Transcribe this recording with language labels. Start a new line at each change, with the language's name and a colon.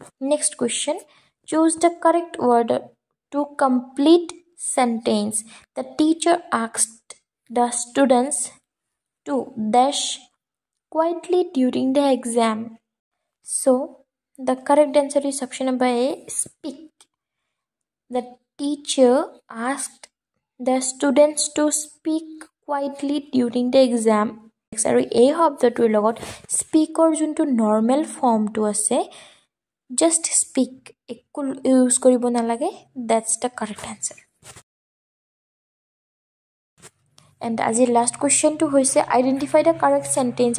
English: Next question, choose the correct word to complete sentence the teacher asked the students to dash quietly during the exam. So the correct answer is option number A, speak. The teacher asked the students to speak quietly during the exam.
Assamese: Sorry, A শব্দটো লগত স্পিকৰ যোনটো normal ফৰ্মটো আছে, just speak, একো use কৰিব নালাগে,
English: That's the correct answer.
Assamese: And আজি last কুৱেশ্যনটো হৈছে
English: Identify the correct sentence.